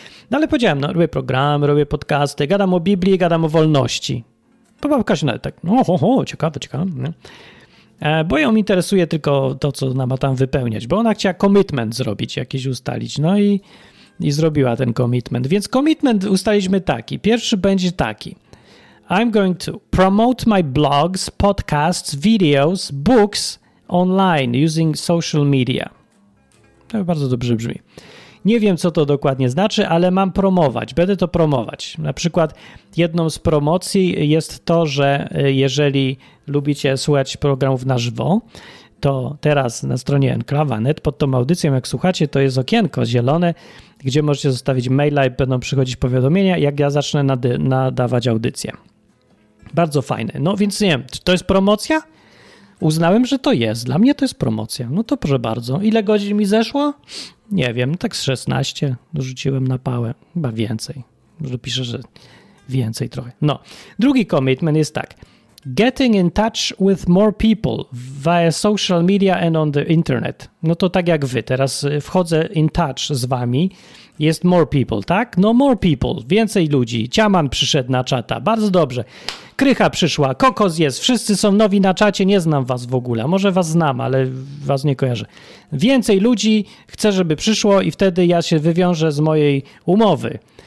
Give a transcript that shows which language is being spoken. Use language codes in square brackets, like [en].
[pl] No ale powiedziałem, no robię program, robię podcasty, gadam o Biblii, gadam o wolności. To babka się nawet tak, ciekawe. Bo ją interesuje tylko to, co ona ma tam wypełniać, bo ona chciała commitment zrobić, jakiś ustalić. No i zrobiła ten commitment. Więc commitment ustaliliśmy taki. Pierwszy będzie taki. [en] I'm going to promote my blogs, podcasts, videos, books online using social media. [pl] To bardzo dobrze brzmi. Nie wiem, co to dokładnie znaczy, ale mam promować, będę to promować. Na przykład jedną z promocji jest to, że jeżeli lubicie słuchać programów na żywo, to teraz na stronie enklawa.net pod tą audycją, jak słuchacie, to jest okienko zielone, gdzie możecie zostawić maila i będą przychodzić powiadomienia, jak ja zacznę nadawać audycję. Bardzo fajne. No więc nie wiem, czy to jest promocja? uznałem, że to jest. Dla mnie to jest promocja. No to proszę bardzo. Ile godzin mi zeszło? Nie wiem, tak z 16 rzuciłem na pałę. Chyba więcej. Może piszę, że więcej trochę. No, drugi commitment jest tak. [en] Getting in touch with more people via social media and on the internet. [pl] No to tak jak wy, teraz wchodzę [en] in touch [pl] z wami, jest [en] more people, [pl] tak? No [en] more people, [pl] więcej ludzi. Ciaman przyszedł na czata, bardzo dobrze. Krycha przyszła, kokos jest, wszyscy są nowi na czacie, nie znam was w ogóle. Może was znam, ale was nie kojarzę. Więcej ludzi chcę, żeby przyszło i wtedy ja się wywiążę z mojej umowy.